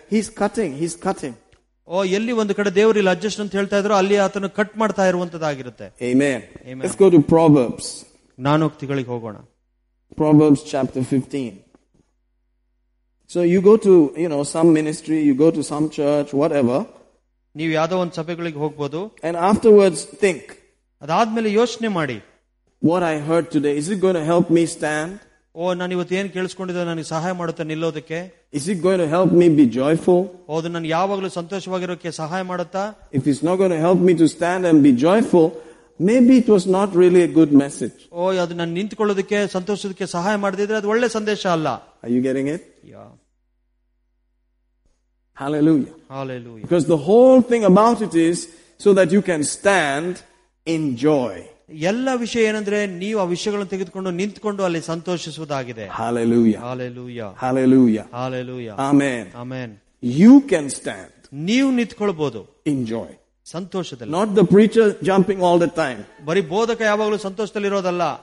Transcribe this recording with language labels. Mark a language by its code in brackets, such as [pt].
[en] He's cutting. [kn] ಎಲ್ಲಿ ಒಂದು ಕಡೆ ದೇವರು ಇಲ್ಲಿ ಅಡ್ಜಸ್ಟ್ ಅಂತ ಹೇಳ್ತಾ ಇದ್ರು ಅಲ್ಲಿ ಆತನು ಕಟ್ ಮಾಡ್ತಾ ಇರುವಂತದಾಗಿರುತ್ತೆ. [en] Amen. Let's go to Proverbs. [kn] ಜ್ಞಾನೋಕ್ತಿಗಳಿಗೆ ಹೋಗೋಣ. [en] Proverbs chapter 15. So you go to, you know, some ministry, you go to some church, whatever. [kn] ನೀವು ಯಾವ್ದೋ ಒಂದು ಸಭೆಗಳಿಗೆ ಹೋಗ್ಬೋದು. [en] And afterwards think. [kn] ಅದಾದ್ಮೇಲೆ ಯೋಚನೆ ಮಾಡಿ. [en] What I heard today, is it going to help me stand? [kn] ನಾನು ಇವತ್ತು ಏನ್ ಕೇಳಿಸ್ಕೊಂಡಿದ್ದೆ ನನಗೆ ಸಹಾಯ ಮಾಡುತ್ತೆ ನಿಲ್ಲೋದಕ್ಕೆ. [en] Is it going to help me be joyful? [kn] ಅದು ನನ್ನ ಯಾವಾಗಲೂ ಸಂತೋಷವಾಗಿರೋಕ್ಕೆ ಸಹಾಯ ಮಾಡುತ್ತಾ? [en] If it's not going to help me to stand and be joyful, maybe it was not really a good message. [kn] ಅದು ನಾನು ನಿಂತ್ಕೊಳ್ಳೋದಕ್ಕೆ ಸಂತೋಷದಕ್ಕೆ ಸಹಾಯ ಮಾಡದಿದ್ರೆ ಅದು ಒಳ್ಳೆ ಸಂದೇಶ ಅಲ್ಲ. [en] Are you getting it? Yeah. Hallelujah. Hallelujah. Because the whole thing about it is so that you can stand in joy. [kn] ಎಲ್ಲ ವಿಷಯ ಏನಂದ್ರೆ ನೀವು ಆ ವಿಷಯಗಳನ್ನು ತೆಗೆದುಕೊಂಡು ನಿಂತ್ಕೊಂಡು ಅಲ್ಲಿ ಸಂತೋಷಿಸುವುದಾಗಿದೆ. [en] Hallelujah. Hallelujah. Hallelujah. Hallelujah. Amen. Amen. You can stand. [kn] ನೀವು ನಿಂತ್ಕೊಳ್ಬಹುದು. [en] In joy. [kn] ಸಂತೋಷದಲ್ಲಿ. [en] Not the preacher jumping all the time. [kn] ಬರೀ ಬೋಧಕ ಯಾವಾಗಲೂ ಸಂತೋಷದಲ್ಲಿ ಇರೋದಲ್ಲ.